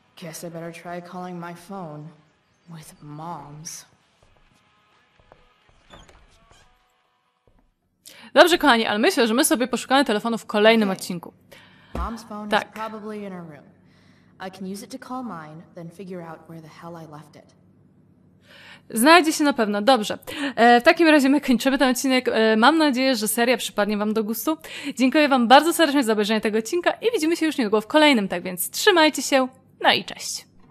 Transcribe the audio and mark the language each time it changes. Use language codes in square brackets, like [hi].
[en] Guess I better try calling my phone with mom's. [pl] Dobrze, kochani, ale myślę, że my sobie poszukamy telefonu w kolejnym odcinku. [en] Mom's phone is probably in her room. I can use it to call mine, then figure out where the hell I left it. [pl] Znajdzie się na pewno. Dobrze. W takim razie my kończymy ten odcinek. Mam nadzieję, że seria przypadnie Wam do gustu. Dziękuję Wam bardzo serdecznie za obejrzenie tego odcinka i widzimy się już niedługo w kolejnym, tak więc trzymajcie się, no i cześć.